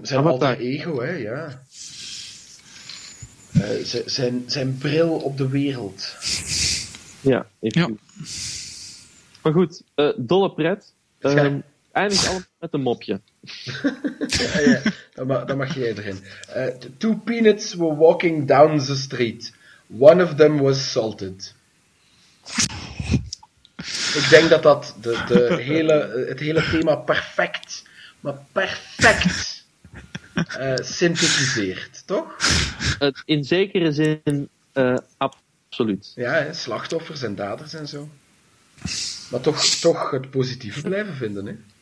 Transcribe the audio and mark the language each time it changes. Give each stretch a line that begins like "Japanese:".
Dutch: zijn alter ego, hè, ja. Zijn bril op de wereld. Ja, even. Ja. Maar goed, dolle pret. Eindig allemaal met een mopje. dan mag jij erin.
English: Two peanuts were walking down the street. One of them was salted.
Dutch: Ik denk dat dat het hele thema perfect, maar perfect synthetiseert, toch? In zekere zin absoluut. Ja, hè, slachtoffers en daders en zo. Maar toch het positieve blijven vinden, hè?